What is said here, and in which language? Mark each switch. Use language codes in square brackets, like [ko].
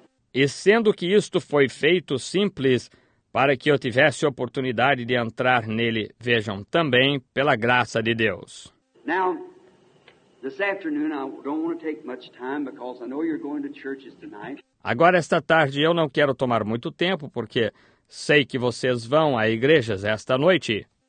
[pt] E E sendo que isto foi feito simples para que eu tivesse oportunidade de entrar nele, vejam, também pela graça de Deus. [en] Now, this afternoon I don't want to take much time because I know you're going to churches tonight. [pt] Agora, esta tarde, eu não quero tomar muito tempo, porque sei que vocês vão a igrejas esta noite.